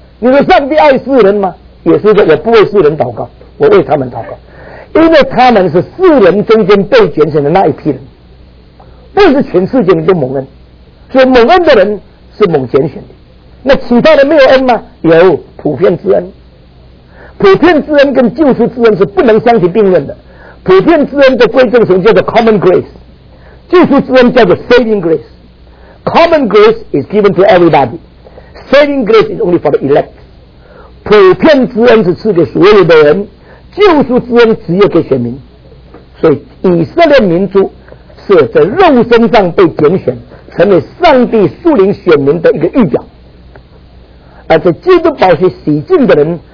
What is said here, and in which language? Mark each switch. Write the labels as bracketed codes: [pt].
[zh] 你说上帝爱世人吗？也是说我不为世人祷告，我为他们祷告，因为他们是世人中间被拣选的那一批人，不是全世界人都蒙恩。所以蒙恩的人是蒙拣选的，那其他人没有恩吗？有普遍之恩。普遍之恩跟救赎之恩是不能相提并论的。普遍之恩的归正神叫做 common grace， 救赎之恩叫做 saving grace。 [en] common grace is given to everybody， saving grace is only for the elect。 [zh] 普遍之恩是赐给所有的人，救赎之恩只有给选民。所以以色列民族是在肉身上被拣选，成为上帝属灵选民的一个预表。而在基督宝血洗净的人